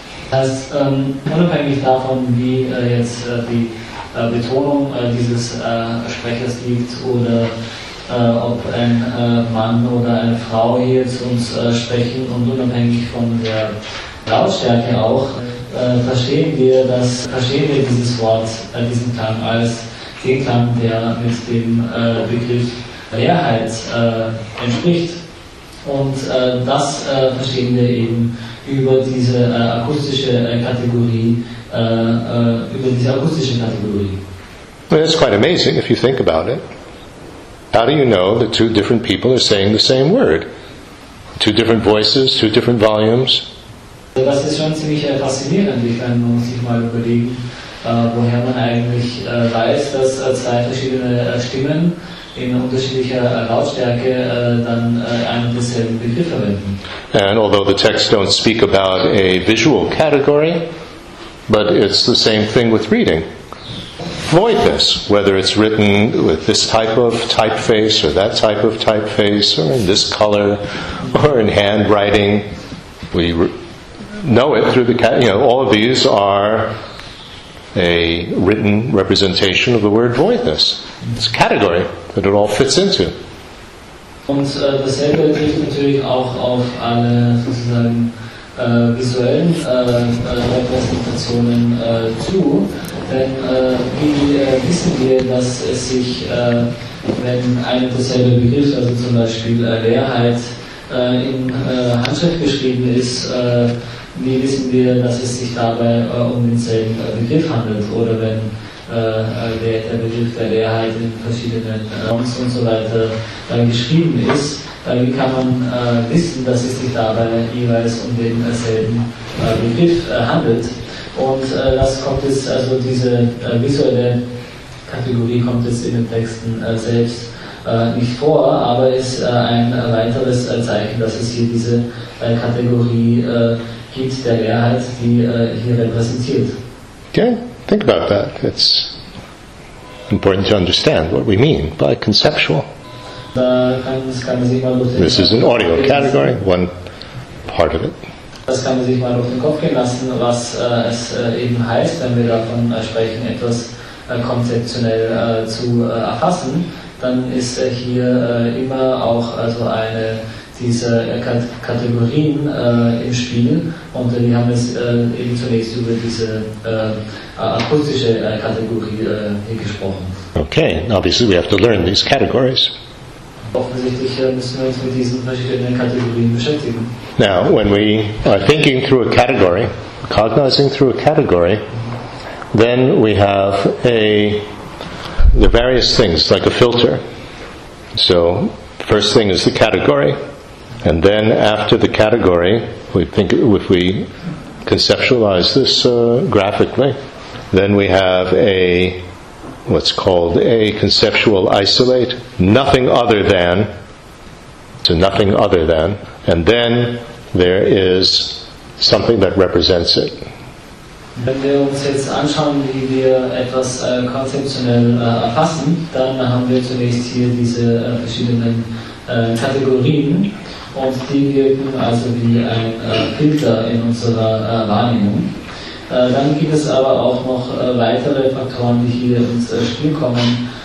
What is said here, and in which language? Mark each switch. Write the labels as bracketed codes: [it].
[de] Das unabhängig davon, wie jetzt die Betonung dieses Sprechers liegt oder ob ein Mann oder eine Frau hier zu uns sprechen und unabhängig von der Lautstärke auch, verstehen wir dieses Wort, diesen Klang als den Klang, der mit dem Begriff Leerheit entspricht. Und das verstehen wir eben über diese akustische Kategorie, über diese akustische Kategorie. [en] Well, that's quite amazing if you think about it. How do you know that two different people are saying the same word? Two different voices, two different volumes? [de] Das ist schon ziemlich faszinierend, ich meine, man muss sich mal überlegen, woher man eigentlich weiß, dass zwei verschiedene Stimmen in unterschiedlicher Lautstärke dann einen desselben Begriff verwenden. [en] And although the texts don't speak about a visual category, but it's the same thing with reading. Voidness, whether it's written with this type of typeface or that type of typeface or in this color or in handwriting, we know it through the, you know, all of these are a written representation of the word voidness. It's a category that it all fits into. [de] Und dasselbe trifft natürlich auch auf alle sozusagen visuellen Repräsentationen zu, denn wissen wir, dass es sich, wenn ein und dasselbe Begriff, also zum Beispiel Leerheit, in Handschrift geschrieben ist, wie wissen wir, dass es sich dabei um denselben Begriff handelt? Oder wenn der Begriff der Leerheit in verschiedenen Raums und so weiter geschrieben ist, wie kann man wissen, dass es sich dabei jeweils um denselben Begriff handelt? Und das kommt jetzt, also diese visuelle Kategorie kommt jetzt in den Texten selbst nicht vor, aber ist ein weiteres Zeichen, dass es hier diese Kategorie gibt, der Leerheit, die hier repräsentiert. [en] Okay, think about that. It's important to understand what we mean by conceptual. This is an audio category, one part of it. [de] Das kann man sich mal auf den Kopf gehen lassen, was es eben heißt, wenn wir davon sprechen, etwas konzeptionell zu erfassen, dann ist hier immer auch also eine dieser Kategorien im Spiel. Und wir haben es eben zunächst über diese akustische Kategorie hier gesprochen. [en] Okay, obviously we have to learn these categories. [de] Offensichtlich müssen wir uns mit diesen verschiedenen Kategorien beschäftigen. [en] Now, when we are thinking through a category, cognizing through a category, then we have the various things, like a filter. So, first thing is the category, and then after the category, we think if we conceptualize this graphically, then we have what's called a conceptual isolate, nothing other than, so nothing other than, and then there is something that represents it. [de] Wenn wir uns jetzt anschauen, wie wir etwas konzeptionell erfassen, dann haben wir zunächst hier diese verschiedenen Kategorien und die wirken also wie ein Filter in unserer Wahrnehmung. Dann gibt es aber auch noch weitere Faktoren, die hier ins Spiel kommen.